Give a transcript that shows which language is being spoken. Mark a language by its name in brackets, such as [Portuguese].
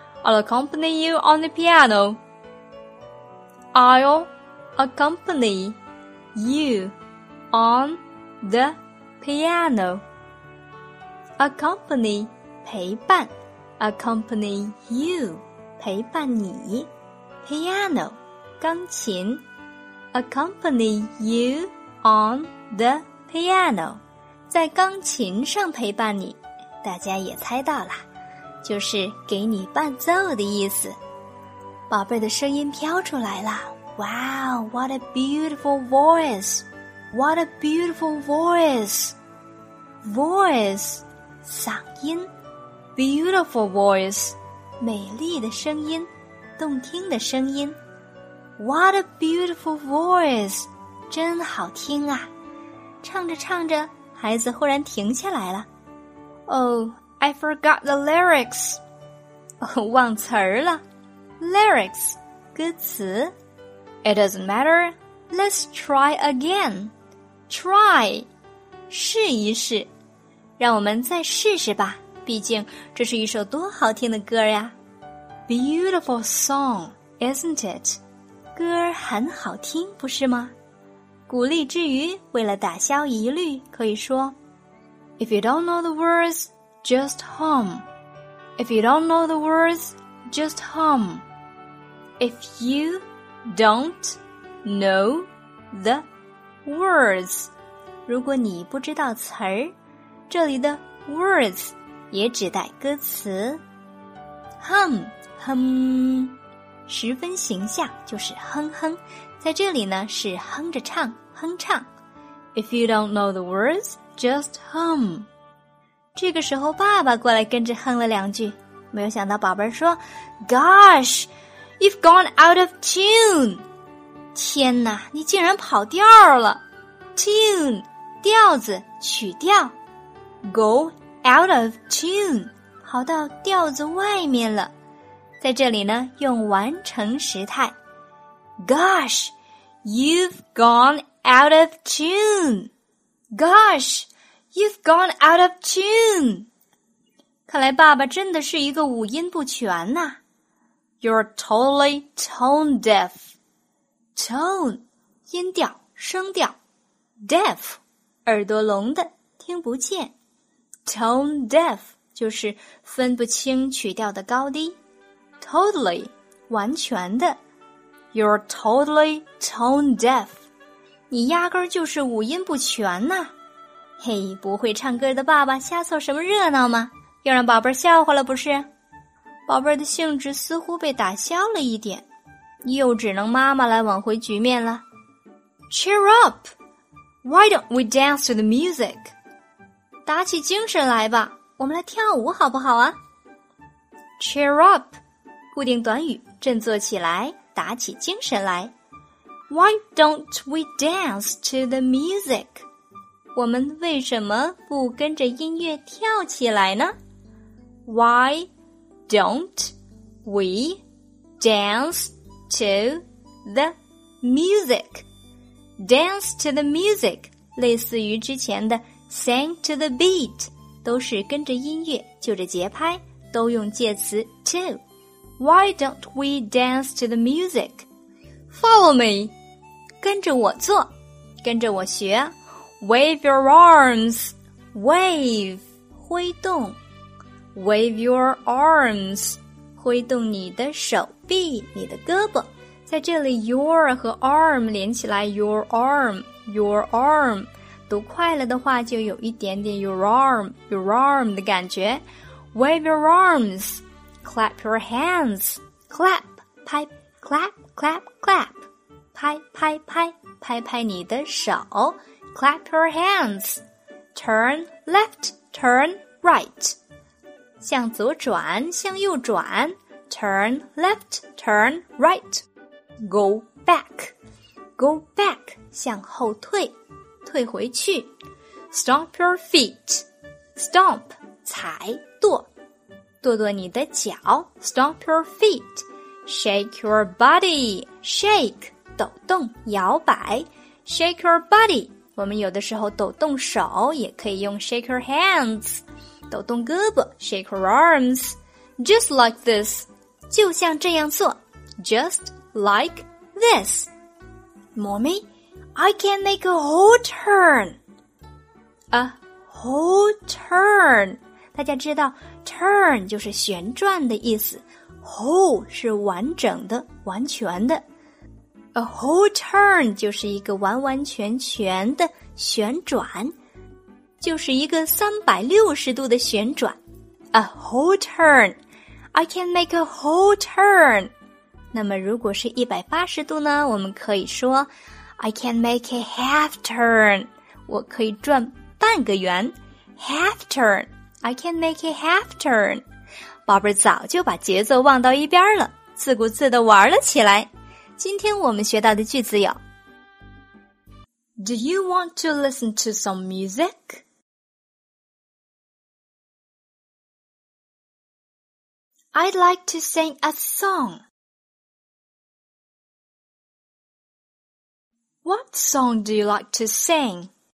[English] I'll accompany you on the piano. I'll accompany you on the piano. [Chinese] Accompany, 陪伴。 [English] Accompany you, [Chinese] 陪伴你。 [English] Piano, 钢琴。Accompany you on the piano, [Chinese] 在钢琴上陪伴你。大家也猜到了，就是给你伴奏的意思。宝贝的声音飘出来了。 [English] Wow, what a beautiful voice. What a beautiful voice. [Chinese] Voice, 嗓音。 [English] Beautiful voice, [Chinese] 美丽的声音，动听的声音。 [English] What a beautiful voice, [Chinese] 真好听啊。唱着唱着，孩子忽然停下来了。 [English] Oh, I forgot the lyrics. [Chinese] 忘词儿了。 [English] Lyrics, [Chinese] 歌词。 [English] It doesn't matter. Let's try again. Try. [Chinese] 试一试。让我们再试试吧。毕竟这是一首多好听的歌呀。 [English] Beautiful song, isn't it? [Chinese] 歌很好听，不是吗？鼓励之余，为了打消疑虑，可以说 [English] If you don't know the words, just hum. If you don't know the words, just hum. If youDon't know the words. [Chinese] 如果你不知道词儿，这里的 words 也指代歌词。 Hum, hum, 十分形象，就是哼哼。在这里呢，是哼着唱，哼唱。 [English] If you don't know the words, just hum. [Chinese] 这个时候爸爸过来跟着哼了两句，没有想到宝贝说 [English] Gosh!You've gone out of tune. [Chinese] 天哪，你竟然跑调了。Tune, 调子，曲调。 [English] Go out of tune, [Chinese] 跑到调子外面了。在这里呢，用完成时态。 [English] Gosh, you've gone out of tune. Gosh, you've gone out of tune. [Chinese] 看来爸爸真的是一个五音不全呐。 [English] You're totally tone deaf. [Chinese] Tone, 音调、声调。 [English] Deaf, [Chinese] 耳朵聋的、听不见。 [English] Tone deaf, [Chinese] 就是分不清曲调的高低。 [English] Totally, [Chinese] 完全的。 [English] You're totally tone deaf. [Chinese] 你压根就是五音不全呐。嘿，不会唱歌的爸爸瞎凑什么热闹吗？又让宝贝儿笑话了不是？宝贝儿的兴致似乎被打消了一点。又只能妈妈来挽回局面了。 [English] Cheer up! Why don't we dance to the music? [Chinese] 打起精神来吧，我们来跳舞好不好啊？ [English] Cheer up! [Chinese] 固定短语，振作起来，打起精神来。 [English] Why don't we dance to the music? [Chinese] 我们为什么不跟着音乐跳起来呢？ [English] Why don't we danceTo the music. Dance to the music. [Chinese] 类似于之前的 [English] sing to the beat. [Chinese] 都是跟着音乐，就着节拍，都用介词 to. [English] Why don't we dance to the music? Follow me. [Chinese] 跟着我做，跟着我学。 [English] Wave your arms. [Chinese] Wave. 挥动。 [English] Wave your arms. [Chinese] 挥动你的手臂，你的胳膊，在这里 your 和 arm 连起来 [English] your arm, your arm, [Chinese] 读快了的话就有一点点 your arm 的感觉。 [English] Wave your arms, clap your hands, [Chinese] clap, 拍, clap, clap, clap, 拍拍拍，拍拍你的手， [English] clap your hands, turn left, turn right. [Chinese] 向左转，向右转 [English] ，turn left, turn right, go back, go back, [Chinese] 向后退，退回去 [English] ，stomp your feet, [Chinese] stomp, 踩，跺，跺跺你的脚 [English] ，stomp your feet, shake your body, [Chinese] shake, 抖动，摇摆 [English] ，shake your body, [Chinese] 我们有的时候抖动手，也可以用 [English] shake your hands. [Chinese] 抖动胳膊 [English] shake her arms, just like this, [Chinese] 就像这样做 [English] just like this. Mommy, I can make a whole turn. A whole turn. [Chinese] 大家知道 turn 就是旋转的意思， whole 是完整的，完全的。 [English] A whole turn [Chinese] 就是一个完完全全的旋转，就是一个360度的旋转。 [English] A whole turn. I can make a whole turn. [Chinese] 那么如果是180度呢，我们可以说 [English] I can make a half turn. [Chinese] 我可以转半个圆。 [English] Half turn. I can make a half turn. [Chinese] 宝贝早就把节奏忘到一边了，自顾自地玩了起来。今天我们学到的句子有 [English] Do you want to listen to some music? I'd like to sing a song. What song do you like to sing?